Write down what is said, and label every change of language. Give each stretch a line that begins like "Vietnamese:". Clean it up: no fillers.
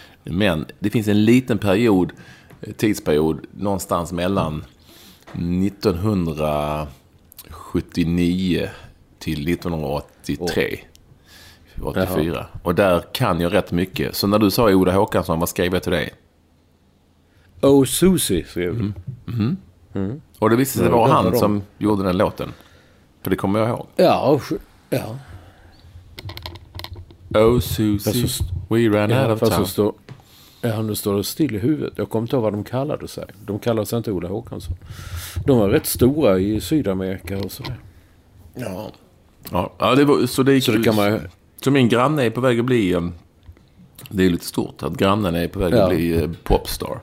Swedish: Men det finns en liten tidsperiod någonstans mellan 1979 till 1983, 84. Och där kan jag rätt mycket. Så när du sa Oda Håkansson, vad skrev jag till dig? Oh, Susie skrev du. Och det visste sig vara han som gjorde den låten. För det kommer jag ihåg. Ja.
English: Oh, Susie, we ran out of town.
Swedish: Ja, nu står det still i huvudet. Jag kommer inte ihåg vad de kallade sig. De kallade sig inte Ola Håkansson. De var rätt stora i Sydamerika och sådär. Ja, det var, så det gick, så det kan man, så min granne är på väg att bli Det är lite stort att grannen är på väg att bli popstar.